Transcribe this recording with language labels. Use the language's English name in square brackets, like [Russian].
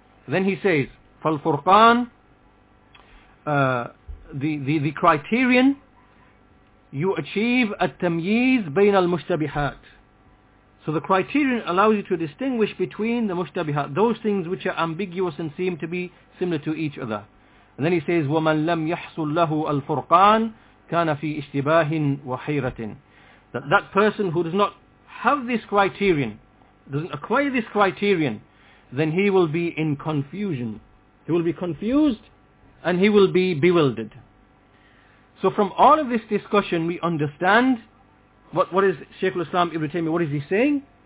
[English] Then he says, [Arabic] فَالْفُرْقَانِ, [English] the criterion, you achieve [Arabic] التمييز بين المشتبهات. [English] So the criterion allows you to distinguish between the مشتبهات, those things which are ambiguous and seem to be similar to each other. And then he says, [Arabic] وَمَنْ لَمْ يَحْصُلْ لَهُ الْفُرْقَانِ كَانَ فِي اشْتِبَاهٍ وَحِيرَةٍ. [English] That person who does not have this criterion, doesn't acquire this criterion, then he will be in confusion. He will be confused and he will be bewildered. So from all of this discussion, we understand what is Shaykh al-Islam Ibn Taymiyyah, what is he saying?